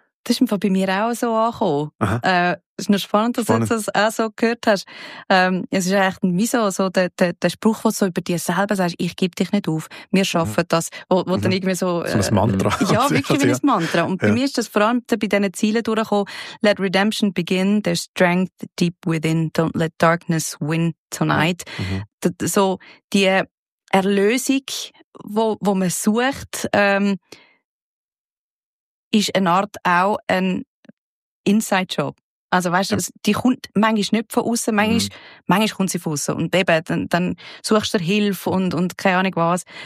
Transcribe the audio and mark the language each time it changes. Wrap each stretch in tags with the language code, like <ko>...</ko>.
<de>Das ist bei mir auch so angekommen. Es ist noch spannend, dass du das auch so gehört hast. Es ist echt wie so der Spruch, den du so über dir selber sagst, ich gebe dich nicht auf, wir schaffen das. Wo dann irgendwie so ein Mantra. Ja, wirklich wie ein Mantra. Und bei mir ist das vor allem bei diesen Zielen durchgekommen.</de> <en>Let redemption begin, there's strength deep within, don't let darkness win tonight. Mhm.</en> <de>So die Erlösung, wo man sucht, ist eine Art auch ein Inside-Job. Also weißt du, die kommt manchmal nicht von außen, manchmal kommt sie von außen. Und eben, dann suchst du Hilfe und keine Ahnung was.</de>